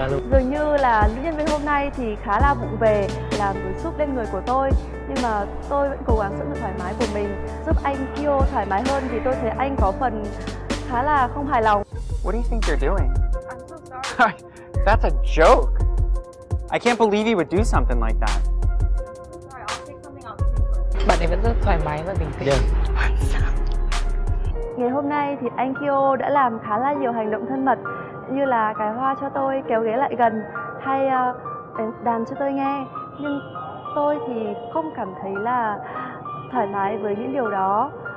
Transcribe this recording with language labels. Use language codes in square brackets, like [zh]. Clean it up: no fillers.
[vi] Dường như là nữ nhân viên hôm nay thì khá là vụng về, làm cú sút lên người của tôi. Nhưng mà tôi vẫn cố gắng giữ được thoải mái của mình, giúp anh Kyo thoải mái hơn thì tôi thấy anh có phần khá là không hài lòng. [en] What do you think you're doing? I'm so sorry. That's a joke. I can't believe you would do something like that. Sorry, I'll take something off. [vi] Bạn ấy vẫn rất thoải mái và bình tĩnh. [en] Yeah. [vi] Ngày hôm nay thì anh Kyo đã làm khá là nhiều hành động thân mật, như là cài hoa cho tôi, kéo ghế lại gần, hay đàn cho tôi nghe. Nhưng tôi thì không cảm thấy là thoải mái với những điều đó.